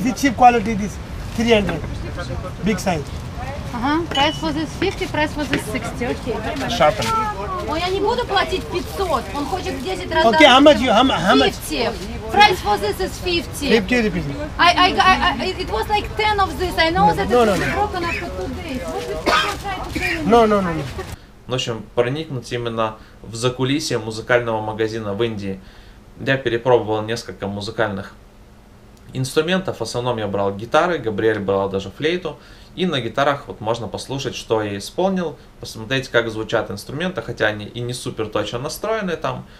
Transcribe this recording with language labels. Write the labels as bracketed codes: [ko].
[en] This is cheap quality, this 300. Big size. Price was this 50, price was this 60, okay. Sharpen. [ru] Ой, я не буду платить 500, он хочет в 10 раз дать. [en] Okay, how much you, how much? 50. Price for this is 50. 50 rupees. It was like 10 of this, I know that it's broken after 2 days. What is this? No. [ru] В общем, проникнуть именно в закулисье музыкального магазина в Индии. Я перепробовал несколько музыкальных инструментов, в основном я брал гитары, Габриэль брал даже флейту. И на гитарах вот можно послушать, что я исполнил, посмотреть, как звучат инструменты, хотя они и не супер точно настроены там.